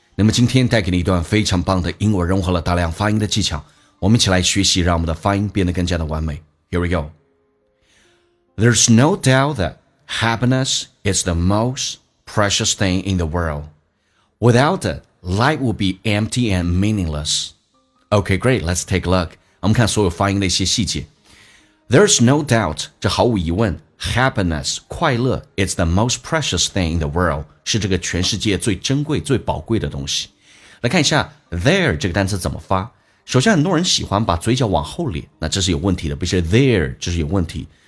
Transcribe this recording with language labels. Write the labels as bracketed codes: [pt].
[zh] 那么今天带给你一段非常棒的英文，融合了大量发音的技巧，我们一起来学习，让我们的发音变得更加的完美。 [en] Here we go. There's no doubt that happiness is the most precious thing in the world. Without it, life will be empty and meaningless. Okay, great, let's take a look. [zh] 我们看所有发音的一些细节。 [en] There's no doubt, [zh] 这毫无疑问，Happiness, 快乐 [en] is the most precious thing in the world, [zh] 是这个全世界最珍贵最宝贵的东西。来看一下 there 这个单词怎么发。首先很多人喜欢把嘴角往后咧，那这是有问题的，不是 there 这是有问题。